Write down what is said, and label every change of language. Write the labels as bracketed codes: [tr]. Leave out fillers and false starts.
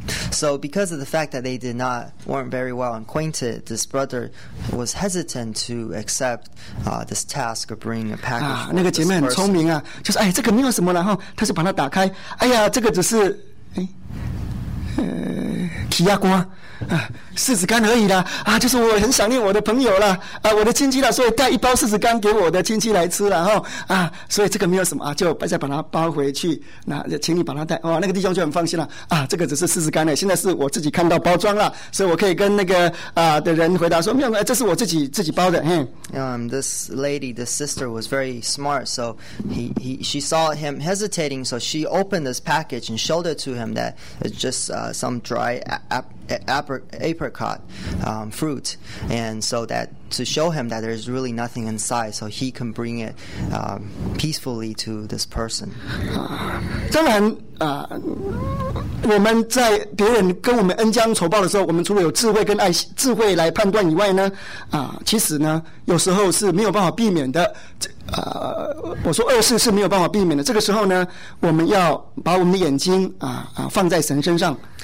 [en] So because of the fact that they weren't very well acquainted, this brother was hesitant to accept this task of bringing a package. [zh] 那个姐妹很聪明啊，就是这个没有什么了哈，她就把它打开，这个只是奇亚瓜柿子干而已啦，就是我很想念我的朋友啦，我的亲戚啦，所以带一包柿子干给我的亲戚来吃啦，所以这个没有什么就再把它包回去，那请你把它带，那个弟兄就很放心啦，这个只是柿子干的，现在是我自己看到包装啦，所以我可以跟那个的人回答说，没有，这是我自己包的， [en] This lady, this sister was very smart, so she saw him hesitating, so she opened this package and showed it to him that it's just some dry apricot fruit, and so that to show him that there is really nothing inside, so he can bring it peacefully to this person. [zh] 当然，我们在别人跟我们恩将仇报的时候，我们除了有智慧跟爱智慧来判断以外呢，其实呢，有时候是没有办法避免的。我说恶事是没有办法避免的。这个时候呢，我们要把我们的眼睛放在神身上。